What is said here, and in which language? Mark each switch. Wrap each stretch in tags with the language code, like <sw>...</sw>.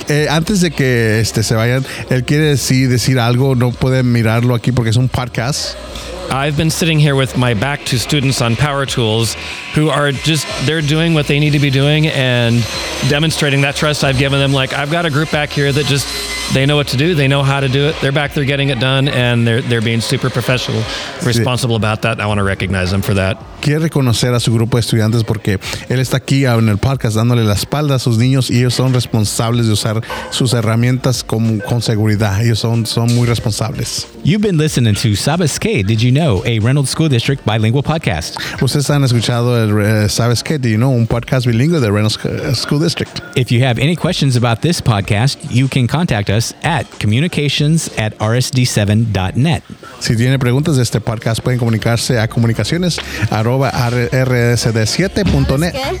<es>Antes de que se vayan, él quiere decir algo, no puede mirarlo aquí porque es un podcast.</es> <en>I've been sitting here with my back to students on power tools who are just, they're doing what they need to be doing and demonstrating that trust I've given them. Like, I've got a group back here that just they know what to do. They know how to do it. They're back there getting it done, and they're being super professional, responsible</en> <es>sí.</es> <en>about that. I want to recognize them for that.</en> <es>Quiero reconocer a su grupo de estudiantes porque él está aquí en el podcast dándole la espalda a sus niños y ellos son responsables de usar sus herramientas con seguridad. Ellos son muy responsables.</es> <en>You've been listening to Sabes Qué, Did You Know, a Reynolds School District bilingual podcast.</en> <es>Ustedes han escuchado el Sabes Qué, Did You Know, un podcast bilingüe de Reynolds School District. If you have any questions about this podcast, you can contact us at communications@rsd7.net. Si tiene preguntas de este podcast, pueden comunicarse a comunicaciones@rsd7.net.</es>